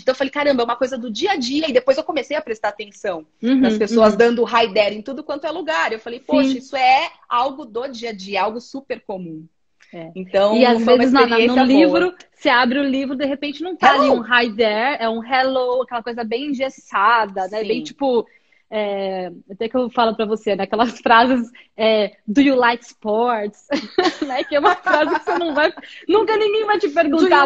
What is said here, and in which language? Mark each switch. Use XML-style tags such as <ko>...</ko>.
<pt>Então eu falei, caramba, é uma coisa do dia a dia. E depois eu comecei a prestar atenção nas pessoas dando</pt> <en>hi there</en> <pt>em tudo quanto é lugar. Eu falei, poxa, isso é algo do dia a dia, algo super comum. Então, e às vezes no livro, você abre o livro, de repente não tá ali um</pt> <en>hi there,</en> <pt>é um hello, aquela coisa bem engessada, né? Bem tipo, até que eu falo para você, né? Aquelas frases,</pt> <en>do you like sports?</en> <pt>Né? Que é uma frase que você não vai... Nunca ninguém vai te perguntar,</pt>